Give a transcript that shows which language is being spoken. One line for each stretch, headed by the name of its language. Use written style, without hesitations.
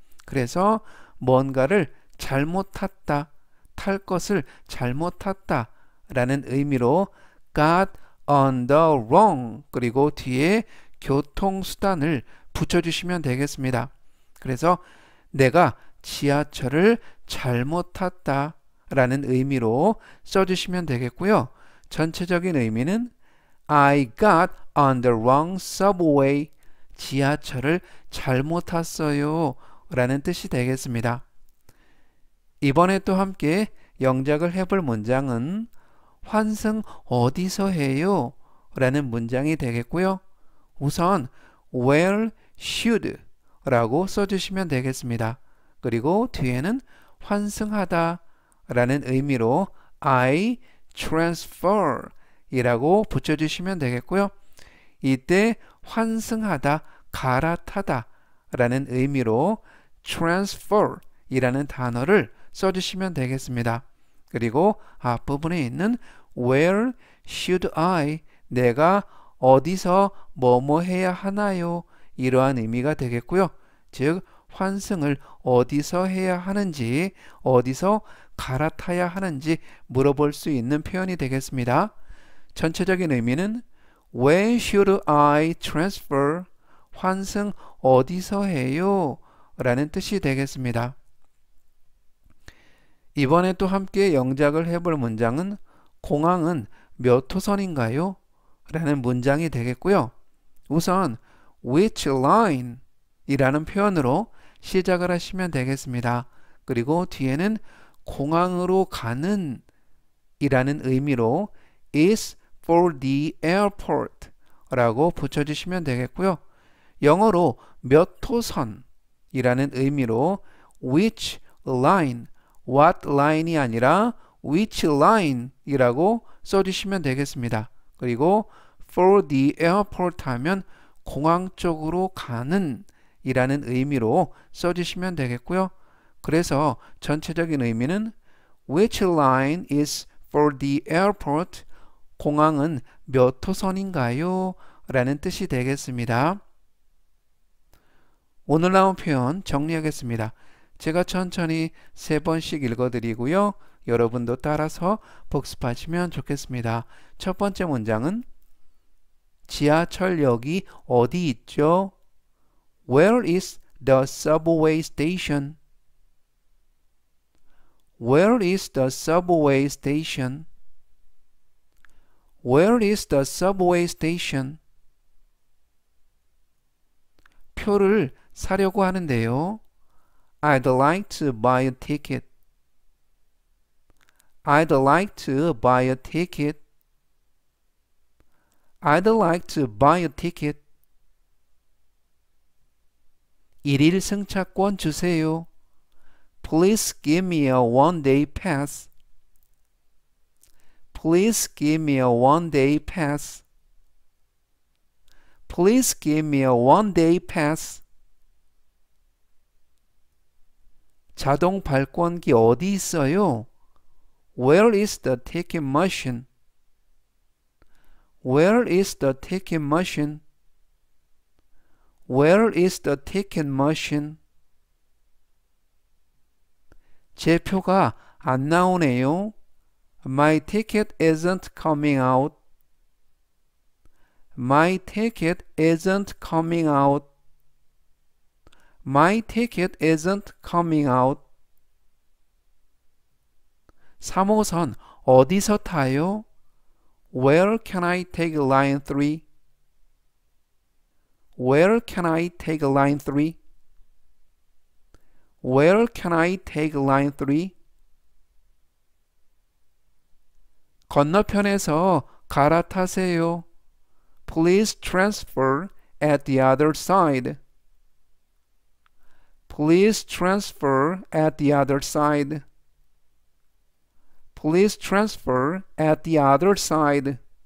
Korean: 그래서 뭔가를 잘못 탔다, 탈 것을 잘못 탔다 라는 의미로
English: got on the wrong
Korean: 그리고 뒤에 교통수단을 붙여주시면 되겠습니다. 그래서 내가 지하철을 잘못 탔다 라는 의미로 써주시면 되겠고요. 전체적인 의미는
English: I got on the wrong subway.
Korean: 지하철을 잘못 탔어요 라는 뜻이 되겠습니다. 이번에 또 함께 영작을 해볼 문장은 환승 어디서 해요? 라는 문장이 되겠고요. 우선
English: where should
Korean: 라고 써주시면 되겠습니다. 그리고 뒤에는 환승하다 라는 의미로
English: I transfer
Korean: 이라고 붙여주시면 되겠고요. 이때 환승하다 갈아타다 라는 의미로 transfer 이라는 단어를 써주시면 되겠습니다. 그리고 앞부분에 있는
English: where should I
Korean: 내가 어디서 뭐뭐 해야 하나요? 이러한 의미가 되겠고요. 즉, 환승을 어디서 해야 하는지, 어디서 갈아타야 하는지 물어볼 수 있는 표현이 되겠습니다. 전체적인 의미는
English: when should I transfer?
Korean: 환승 어디서 해요? 라는 뜻이 되겠습니다. 이번에 또 함께 영작을 해볼 문장은 공항은 몇 호선인가요? 라는 문장이 되겠고요. 우선
English: which line
Korean: 이라는 표현으로 시작을 하시면 되겠습니다. 그리고 뒤에는 공항으로 가는 이라는 의미로
English: is for the airport
Korean: 라고 붙여주시면 되겠고요. 영어로 몇 호선이라는 의미로
English: which line, what line
Korean: 이 아니라
English: which line
Korean: 이라고 써주시면 되겠습니다. 그리고
English: for the airport
Korean: 하면 공항 쪽으로 가는 이라는 의미로 써주시면 되겠고요. 그래서 전체적인 의미는
English: which line is for the airport?
Korean: 공항은 몇 호선인가요? 라는 뜻이 되겠습니다. 오늘 나온 표현 정리하겠습니다. 제가 천천히 세 번씩 읽어드리고요. 여러분도 따라서 복습하시면 좋겠습니다. 첫 번째 문장은 지하철역이 어디 있죠?
English: Where is the subway station? Where is the subway station? Where is the subway station?
Korean: 표를 사려고 하는데요.
English: I'd like to buy a ticket. I'd like to buy a ticket. I'd like to buy a ticket.
Korean: 일일 승차권 주세요.
English: Please give me a one-day pass. Please give me a one-day pass. Please give me a one-day pass.
Korean: 자동 발권기 어디 있어요?
English: Where is the ticket machine? Where is the ticket machine? Where is the ticket machine?
Korean: 제 표가 안 나오네요.
English: My ticket isn't coming out. My ticket isn't coming out. My ticket isn't coming out.
Korean: 3호선 어디서 타요?
English: Where can I take line 3? Where can I take line 3? Where can I take line 3?
Korean: 건너편에서 갈아타세요.
English: Please transfer at the other side. Please transfer at the other side. Please transfer at the other side.